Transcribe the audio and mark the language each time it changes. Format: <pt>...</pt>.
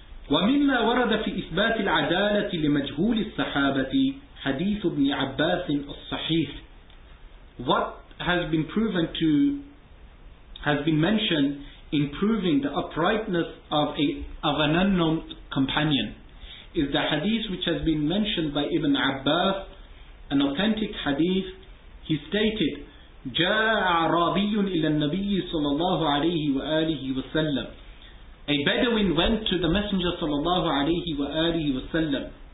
<ar>ومما ورد في إثبات العدالة لمجهول الصحابة حديث ابن عباس الصحيح.</ar> <en>What has been proven to, has been mentioned in proving the uprightness of an unknown companion is the hadith which has been mentioned by Ibn Abbas, an authentic hadith. He stated,</en> <ar>جاء أعرابي إلى النبي صلى الله عليه وآله وسلم.</ar> <en>A Bedouin went to the Messenger</en> <ar>صلى الله عليه وآله وسلم.</ar>